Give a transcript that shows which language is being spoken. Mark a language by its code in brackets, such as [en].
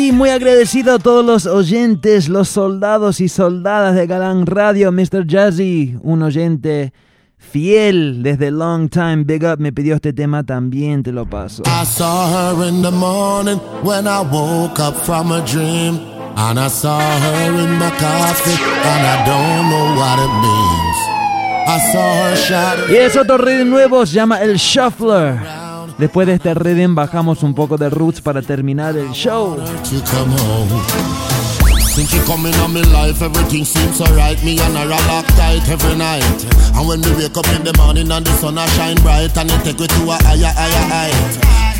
[es] Agradecido a todos los oyentes, los soldados y soldadas de Galán Radio. Mr. Jazzy, un oyente fiel desde [en] long time, big up, [es] me pidió este tema también, te lo paso. [en] I saw her in the morning when I woke up from a dream, and I saw her in my coffee, and I don't know what it means. I saw her shadow. [es] Y es otro rhythm nuevo, se llama El Shuffler. Después de este rhythm bajamos un poco de roots para terminar el show. [en] Since you come in on my life, everything seems alright. Me and her are locked tight every night. And when we wake up in the morning and the sun a shine bright, and it take me to a higher, higher height.